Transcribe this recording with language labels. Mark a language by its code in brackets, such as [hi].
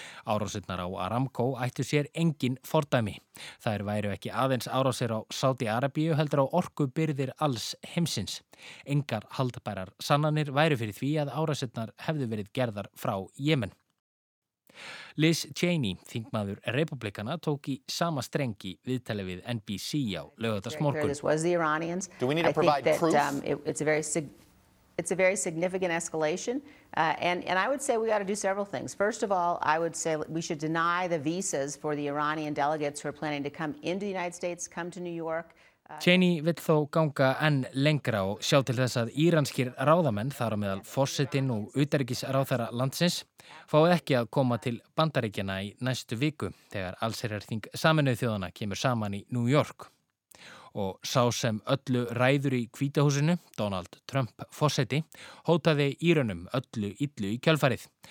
[is] Árásirnar á Aramco ættu sér engin fordæmi. Þær væru ekki aðeins árásir á Saudi-Arabíu heldur á orku byrðir alls heimsins. Engar haldbærar sannanir væru fyrir því að árásirnar hefðu verið gerðar frá Jemen. Liz Cheney, þingmaður republikana, tók í sama strengi viðtali við NBC á laugardagsmorgun. [en] This was the Iranians. Do we need to provide that, proof? It's a very significant escalation. And I would say we got to do several things. First of all, I would say we should deny the visas for the Iranian delegates who are planning to come into the United States, come to New York. [is] Cheney vill þó ganga enn lengra og sjá til þess að íranskir ráðamenn þar á meðal forsetinn og utanríkisráðherra landsins fái ekki að koma til Bandaríkjanna í næstu viku þegar allsherjarþing Sameinuðu þjóðanna kemur saman í New York. Og sá sem öllu ræður í Hvíta húsinu, Donald Trump forseti, hótaði Íranum öllu illu í kjölfarið.